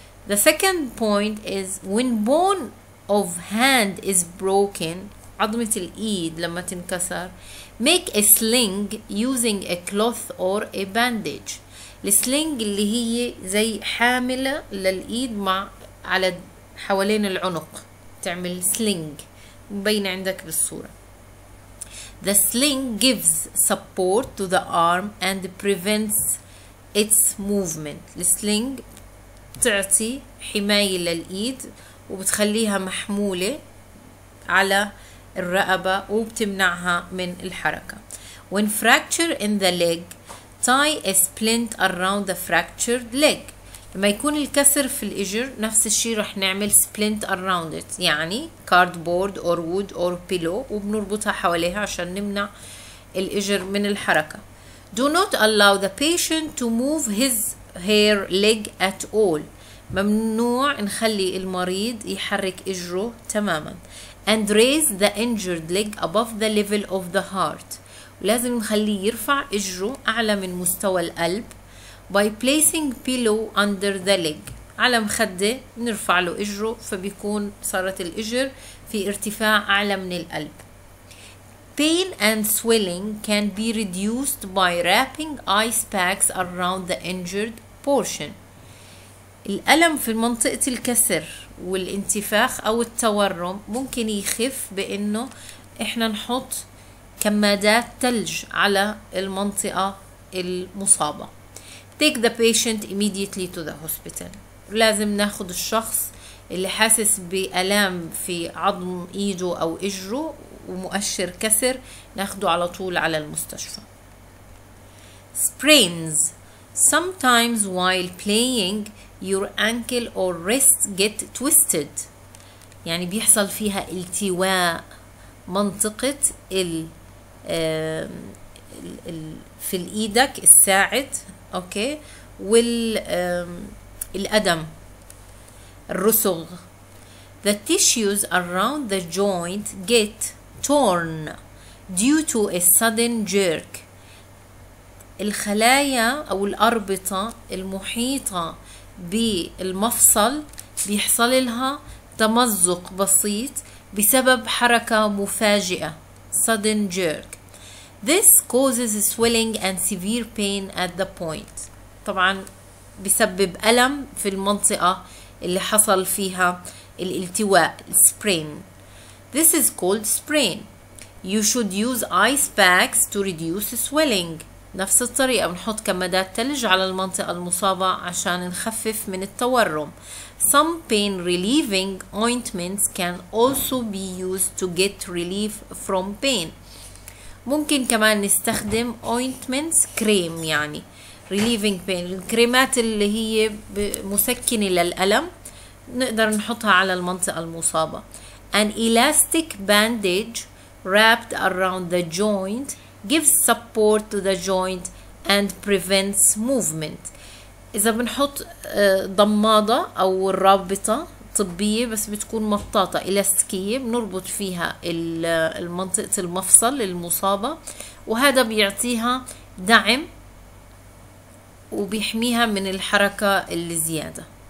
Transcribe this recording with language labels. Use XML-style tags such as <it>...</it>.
<en>The second point is when bone of hand is broken,</en> <ar>عظمة الإيد لما تنكسر,</ar> <en>make a sling using a cloth or a bandage.</en> <ar>السلينج اللي هي زي حاملة للإيد مع على حوالين العنق تعمل سلينج مبين عندك بالصورة.</ar> <en>The sling gives support to the arm and prevents its movement.</en> <ar>السلينج تعطي حماية للإيد وبتخليها محمولة على الرقبة وبتمنعها من الحركة.</ar> <en>When fracture in the leg, tie a splint around the fractured leg.</en> <ar>لما يكون الكسر في الإجر نفس الشيء رح نعمل</ar> <en>splint around it</en> <ar>يعني</ar> <en>cardboard or wood or pillow</en> <ar>وبنربطها حواليها عشان نمنع الإجر من الحركة.</ar> <en>Do not allow the patient to move his hair leg at all.</en> <ar>ممنوع نخلي المريض يحرك إجره تماما.</ar> <en>And raise the injured leg above the level of the heart.</en> <ar>لازم نخليه يرفع إجره أعلى من مستوى القلب.</ar> <en>By placing pillow under the leg.</en> <ar>على مخدة نرفع له إجره فبيكون صارت الإجر في ارتفاع أعلى من القلب.</ar> <en>Pain and swelling can be reduced by wrapping ice packs around the injured portion.</en> <ar>الألم في منطقة الكسر والانتفاخ أو التورم ممكن يخف بأنه إحنا نحط كمادات ثلج على المنطقة المصابة.</ar> <en>Take the patient immediately to the hospital.</en> <ar>لازم ناخد الشخص اللي حاسس بألام في عظم إيده أو إجره ومؤشر كسر ناخده على طول على المستشفى.</ar> <en>Sprains. Sometimes while playing your ankle or wrist get twisted.</en> <ar>يعني بيحصل فيها التواء منطقة ال في الإيدك الساعد أوكي والأدم الرسغ.</ar> <en>The tissues around the joint get torn due to a sudden jerk.</en> <ar>الخلايا أو الأربطة المحيطة بالمفصل بيحصل لها تمزق بسيط بسبب حركة مفاجئة</ar> <en>sudden jerk. This causes swelling and severe pain at the point.</en> <ar>طبعا بسبب ألم في المنطقة اللي حصل فيها الالتواء sprain.</ar> <en>This is called sprain. You should use ice packs to reduce swelling.</en> <ar>نفس الطريقة بنحط كمادات ثلج على المنطقة المصابة عشان نخفف من التورم.</ar> <en>Some pain relieving ointments can also be used to get relief from pain.</en> <ar>ممكن كمان نستخدم ointments كريم يعني</ar> <en>relieving pain</en> <ar>الكريمات اللي هي مسكنة للألم نقدر نحطها على المنطقة المصابة.</ar> <en>An elastic bandage wrapped around the joint gives support to the joint and prevents movement.</en> <ar>إذا بنحط ضمادة أو رابطة طبية بس بتكون مطاطة إلاستيكية بنربط فيها المنطقة المفصل المصابة وهذا بيعطيها دعم وبيحميها من الحركة الزيادة.</ar>